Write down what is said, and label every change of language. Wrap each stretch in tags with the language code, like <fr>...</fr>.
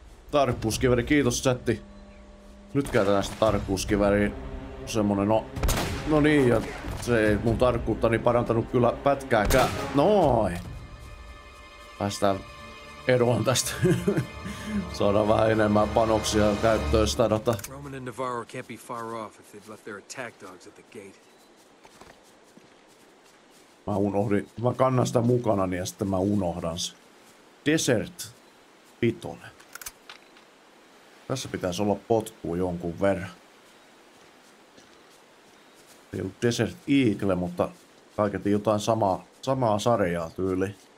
<fi>Tarkkuuskiväri, kiitos chatti. Nyt käytetään sitä tarkkuuskiväriin. Semmonen no... No niin, ja se ei mun tarkkuuttani parantanut kyllä pätkääkään. Noin! Päästään eroon tästä. Saadaan vähän enemmän panoksia käyttöön sitä data.</fi> <en>Roman and Navarro can't be far off if they've left their attack dogs at the gate.</en> <fi>Mä unohdin. Mä kannan sitä mukana, niin ja sitten mä unohdan se. Desert Pitone. Tässä pitäisi olla potkua jonkun verran. Ei ollut Desert Eagle, mutta kaiketi jotain samaa sarjaa tyyli.</fi>